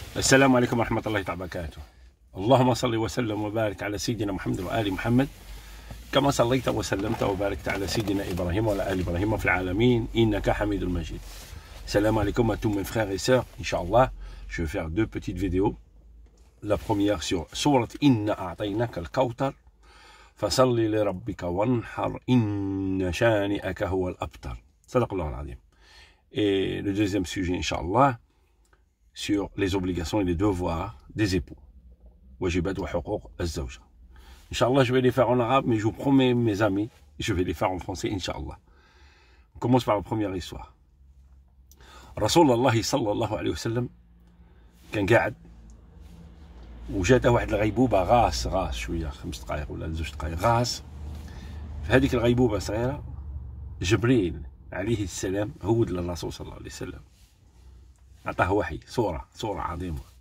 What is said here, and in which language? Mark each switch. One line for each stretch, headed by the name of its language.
Arabic: السلام عليكم ورحمة الله وبركاته. اللهم صلِّ وسلم وبارك على سيدنا محمد وآل محمد، كما صليت وسلمت وباركت على سيدنا إبراهيم وعلى آل إبراهيم في العالمين، إنك حميد المجيد. السلام عليكم
French: à tous mes frères et sœurs. Inch'Allah, je vais faire deux petites vidéos. La première sur
Arabic: سورة إن أعطيناك الكوثر فصلِّ لربك وانحر إن شانئك هو الأبتر. صدق الله العظيم.
French: Et le deuxième sujet, Inch'Allah, sur les obligations et les devoirs des époux.
Arabic: Wajibat wa huquq az-zawja.
French: Inch'Allah, je vais les faire en arabe, mais je vous promets, mes amis, je vais les faire en français, Inch'Allah. On commence par la première histoire.
Arabic: Rasulallah sallallahu alayhi wa sallam, كان قاعد وجاته واحد الغيبوبة غاس شوية خمس دقائق ولا زوج دقائق غاس في هذيك الغيبوبة صغيرة جبريل عليه السلام هود للرسول صلى الله عليه وسلم أعطاه وحي صورة عظيمة.